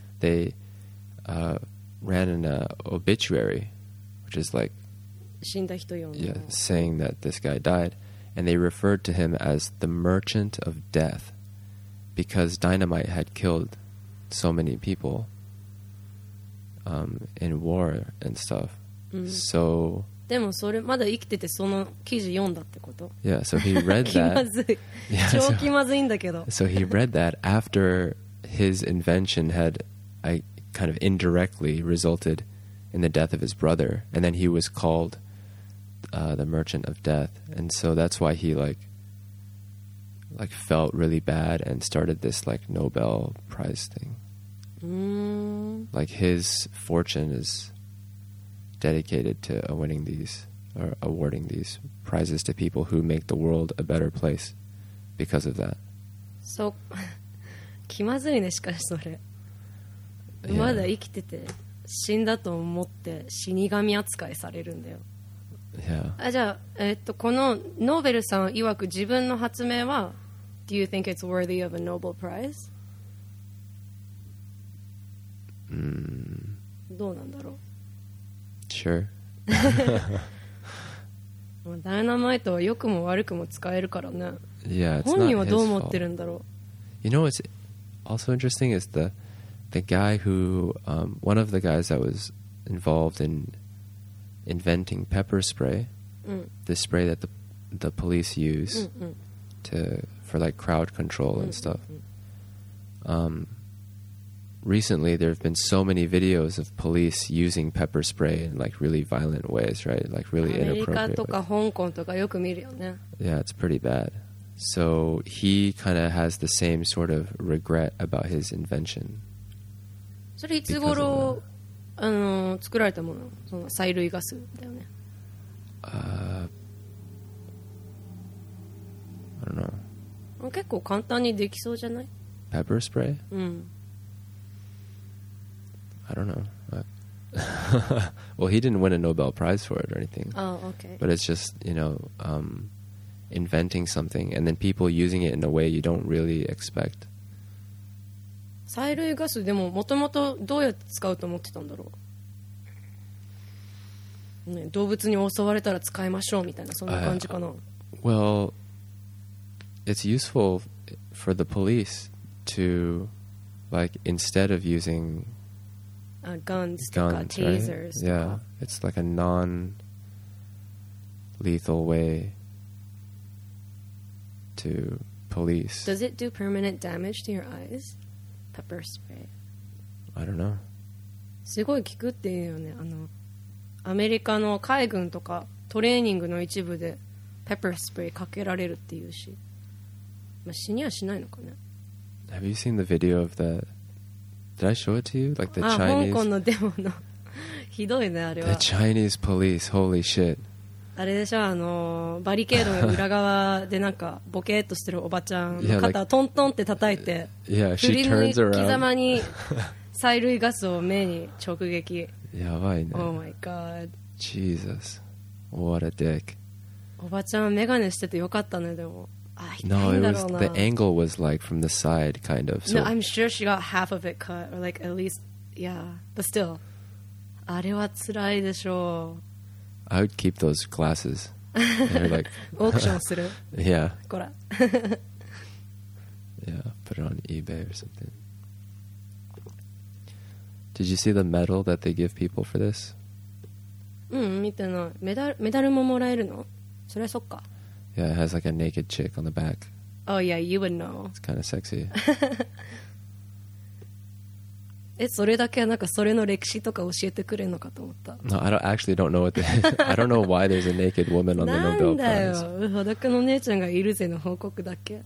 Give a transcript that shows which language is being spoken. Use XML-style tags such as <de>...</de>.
<en>They ran an obituary, which is like</en> <ja>死んだ人用の</ja> <en>yeah, saying that this guy died. And they referred to him as the merchant of death because dynamite had killed so many people in war and stuff. So,</en> <ja>でもそれまだ生きててその記事読んだってこと?</ja> <en>Yeah, so he read that.</en> <ja>気まずい。yeah, 超気まずいんだけど。</ja> <en>So he read that after his invention had kind of indirectly resulted in the death of his brother. And then he was calledthe merchant of death, and so that's why he like felt really bad and started this like Nobel Prize thing. Like his fortune is dedicated to winning these or awarding these prizes to people who make the world a better place because of that.</en> <ja>So, 気まずいねしかしそれ、yeah. まだ生きてて死んだと思って死神扱いされるんだよ。</ja> <en>Yeah.</en> <ja>じゃあ、このノーベルさん曰く自分の発明は</ja> <en>Do you think it's worthy of a Nobel Prize?</en> <ja>どうなんだろう?</ja> <en>Sure.</en> <ja>ダイナマイトは良くも悪くも使えるからね。</ja> <en>Yeah,</en> <ja>本人はどう思ってるんだろう?</ja> <en>You know what's also interesting is the guy who, one of the guys that was involved in inventing pepper spray, the spray that the police use for like crowd control and stuff. Recently, there have been so many videos of police using pepper spray in like really violent ways, right? Like really inappropriate.</en> <ja>America とか香港とかよく見るよね。</ja> <en>Yeah, it's pretty bad. So he kind of has the same sort of regret about his invention.</en> <ja>それいつ頃あの作られたもの、その催涙ガスだよね。</ja> <en>I don't know.</en> <ja>結構簡単にできそうじゃない?</ja> <en>Pepper spray?</en> <ja>うん。</ja> <en>I don't know. well, he didn't win a Nobel Prize for it or anything. Oh, okay. But it's just, you know, inventing something and then people using it in a way you don't really expect.</en> <ja>催涙ガス、でも元々どうやって使うと思ってたんだろう、ね、動物に襲われたら使いましょうみたいな、そんな感じかな。</ja> <en>Well, it's useful for the police to, like, instead of using... Guns, right? Tasers. Yeah, it's like a non-lethal way to police. Does it do permanent damage to your eyes? Pepper spray. I don't know.</en> <ja>すごい効くっていうよね。あのアメリカの海軍とかトレーニングの一部で pepper spray かけられるっていうし、まあ、死にはしないのかね。</ja> <en>Have you seen the video of the... Did I show it to you? Like the Chinese?</en> <ja>香港のデモの。ひどいね、あれは。</ja> <en>The Chinese police, holy shit.</en> <ja>あれでしょ、あの、バリケードの裏側でなんか、ボケーっとしてるおばちゃんの肩をトントンって叩いて、</ja> <en>yeah, she turns around.</en> <ja>振り刻まに催涙ガスを目に直撃。やばいね。</ja> <en>Oh my god. Jesus. What a dick.</en> <ja>おばちゃん、メガネしててよかったね、でも。</ja> <en>No, it was, the angle was like from the side, kind of. No, I'm sure she got half of it cut, or like at least, yeah. But still,</en> <ja>あれは辛いでしょう。</ja> <en>I would keep those glasses. They're like,</en> <ja>オークションする?</ja> <en>Yeah.</en> <ja>こら。</ja> <en>Yeah, put it on eBay or something. Did you see the medal that they give people for this?</en> <ja>うん、見てない。メダルももらえるの?それはそっか。</ja> <en>Yeah, it has like a naked chick on the back. Oh yeah, you would know. It's kind of sexy.</en> <ja>それだけなんかそれの歴史とか教えてくれるのかと思った。</ja> <en>No, I don't actually don't know what the I don't know why there's a naked woman on the Nobel Prize.</en> <ja>なんだよ、裸の姉ちゃんがいるぜの報告だけ。</ja>